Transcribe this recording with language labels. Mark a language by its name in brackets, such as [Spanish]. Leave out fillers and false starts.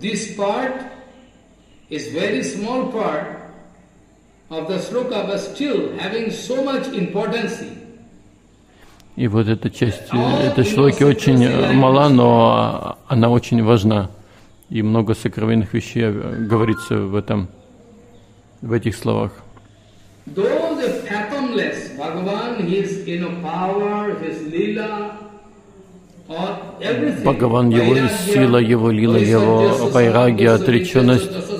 [English] This part is very small part of the sloka, but still having so much importance. [Russian] И вот эта часть, этой шлоки очень мала, но она очень важна. И много сокровенных вещей говорится в этом, в этих словах. [English] Though the fathomless Bhagavan, his inner power, his lila, [Russian] Бхагаван, его сила, его лила, его вайрагья, отреченность.